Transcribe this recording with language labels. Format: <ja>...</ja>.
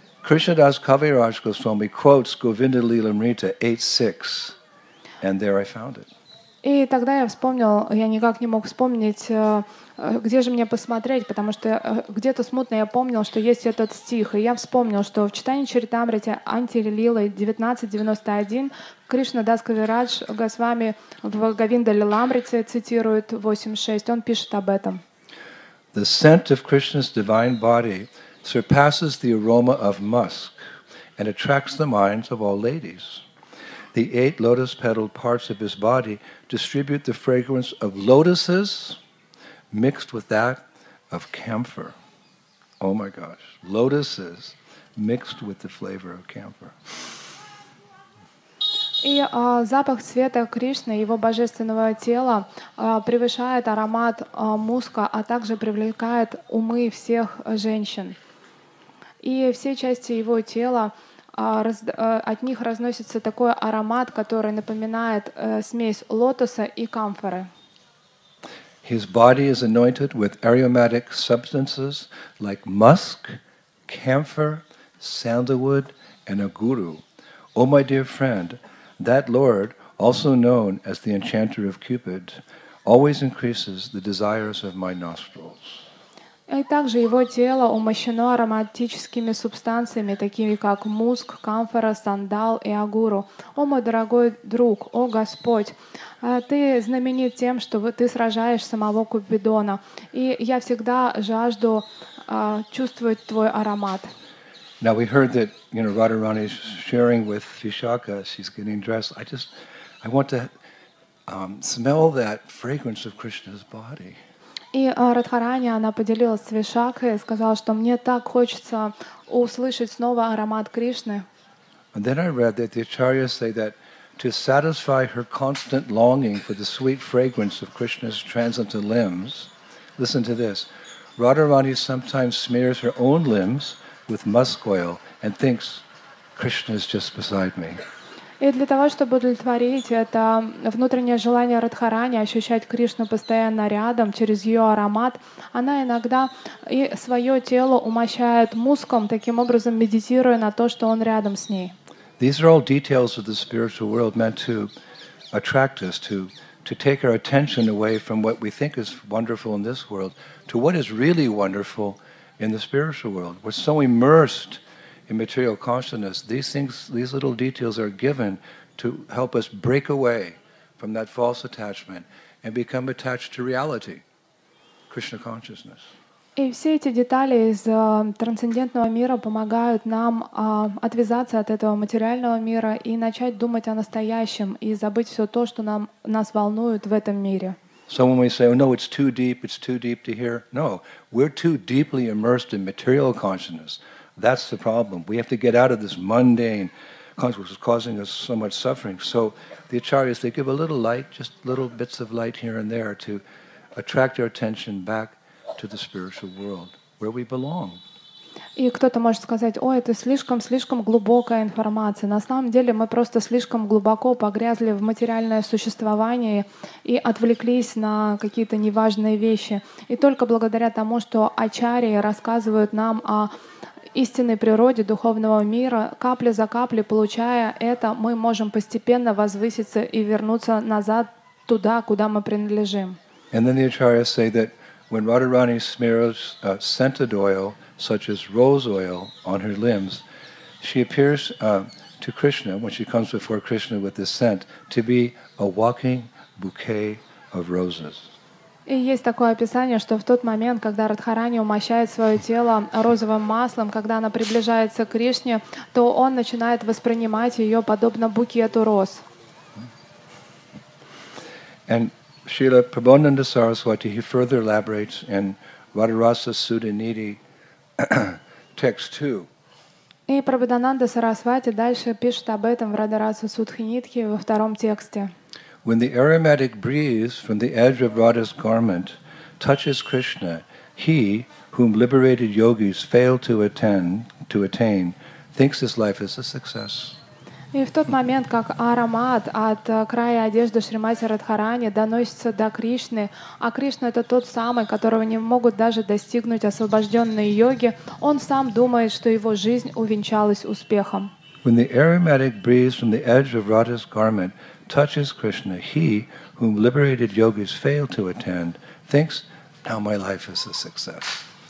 <en>Krishnadas Kaviraj Goswami quotes Govinda Lilamrita 8.6, and there I found it.</en> <ru>И тогда я вспомнил, я никак не мог вспомнить, где же мне посмотреть, потому что где-то смутно я помнил, что есть этот стих, и я вспомнил, что в читании Чаритамрите Антилилы 19.91 Кришнадас Кавирадж Госвами в Говинда Лиламрите цитирует 8.6, он пишет об этом.</ru> <en>The scent of Krishna's divine body surpasses the aroma of musk and attracts the minds of all ladies. The eight lotus-petaled parts of his body distribute the fragrance of lotuses mixed with that of camphor. Oh my gosh, lotuses mixed with the flavor of camphor.</en> <ru>И запах цвета Кришны, его божественного тела, превышает аромат муска, а также привлекает умы всех женщин. И все части его тела, от них разносится такой аромат, который напоминает смесь лотоса и камфоры.</ru> <en>His body is anointed with aromatic substances like musk, camphor, sandalwood, and aguru. Oh, my dear friend, that Lord, also known as the enchanter of Cupid, always increases the desires of my nostrils.</en> <ru>И также его тело умощено ароматическими субстанциями, такими как муск, камфора, сандал и агуру. О, мой дорогой друг, о Господь, ты знаменит тем, что ты сражаешь самого Купидона, и я всегда жажду чувствовать твой аромат.</ru> <en>Now we heard that, you know, Radharani is sharing with Vishakha, she's getting dressed. I want to smell that fragrance of Krishna's body.</en> <ru>И Радхарани, она поделилась с Вишакхой и сказала, что мне так хочется услышать снова аромат Кришны.</ru> <en>And then I read that the Acharyas say that to satisfy her constant longing for the sweet fragrance of Krishna's transcendental limbs, listen to this, Radharani sometimes smears her own limbs with musk oil and thinks, Krishna is just beside me.</en> <ru>И для того, чтобы удовлетворить это внутреннее желание Радхарани, ощущать Кришну постоянно рядом через ее аромат, она иногда и свое тело умощает муском, таким образом медитируя на то, что он рядом с ней.</ru> <en>These are all details of the spiritual world meant to attract us, to take our attention away from what we think is wonderful in this world, to what is really wonderful in the spiritual world. We're so immersed in material consciousness, these things, these little details are given to help us break away from that false attachment and become attached to reality, Krishna consciousness.</en> <ru>И все эти детали из трансцендентного мира помогают нам отвязаться от этого материального мира и начать думать о настоящем и забыть все то, что нас волнует в этом мире.</ru> <en>Someone may say, oh, no, it's too deep to hear. No, we're too deeply immersed in material consciousness. That's the problem. We have to get out of this mundane consciousness which is causing us so much suffering. So the Acharyas, they give a little light, just little bits of light here and there to attract our attention back to the spiritual world where we belong.</en> <ru>И кто-то может сказать: "О, это слишком глубокая информация. На самом деле мы просто слишком глубоко погрязли в материальное существование и отвлеклись на какие-то неважные вещи. И только благодаря тому, что Ачарьи рассказывают нам о истинной природе духовного мира, капля за каплей получая это, мы можем постепенно возвыситься и вернуться назад туда, куда мы принадлежим.</ru> <en>And then the Acharyas say that when Radharani smears scented oil, such as rose oil, on her limbs, she appears to Krishna, when she comes before Krishna with this scent, to be a walking bouquet of roses.</en> <ru>И есть такое описание, что в тот момент, когда Радхарани умощает свое тело розовым маслом, когда она приближается к Кришне, то он начинает воспринимать ее подобно букету роз.</ru> <en>And Srila Prabhunanda Saraswati, he further elaborates in Radharasa Sudaniti, text 2.</en> <ru>И Прабхудананда Сарасвати дальше пишет об этом в Радхарасу Судхинитхи во втором тексте.</ru> <en>When the aromatic breeze from the edge of Radha's garment touches Krishna, he, whom liberated yogis fail to attain, thinks his life is a success.</en> <ru>И в тот момент, как аромат от края одежды Шримати Радхарани доносится до Кришны, а Кришна — это тот самый, которого не могут даже достигнуть освобожденные йоги, он сам думает, что его жизнь увенчалась успехом.</ru> <en>When the aromatic breeze from the edge of Radha's garment touches Krishna, he, whom liberated yogis fail to attend, thinks, now my life is a success.</en>